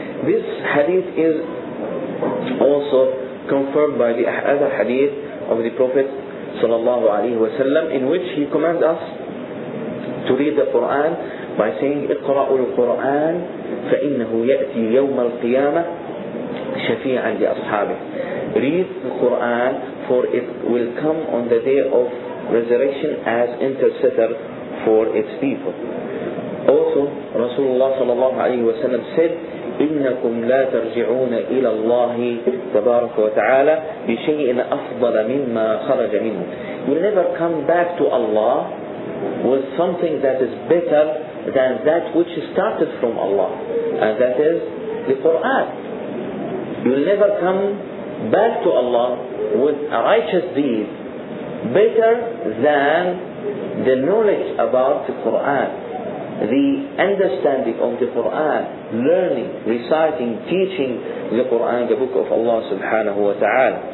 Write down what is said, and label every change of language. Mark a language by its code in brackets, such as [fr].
[en] This hadith is also confirmed by the other hadith of the Prophet sallallahu alaihi wasallam, in which he commands us to read the Quran by saying, [ar] اقرأوا القرآن فإنه يأتي يوم القيامة شفيعا لأصحابه. [en] Read the Quran, for it will come on the day of resurrection as intercessor for its people. Also, Rasulullah sallallahu alaihi wasallam said, [ar] إنكم لا ترجعون إلى الله تبارك وتعالى بشيء أفضل مما خرج منه. [en] You never come back to Allah with something that is better than that which started from Allah, and that is the Quran. You will never come back to Allah with a righteous deed better than the knowledge about the Quran, the understanding of the Quran, learning, reciting, teaching the Quran, the book of Allah subhanahu wa ta'ala.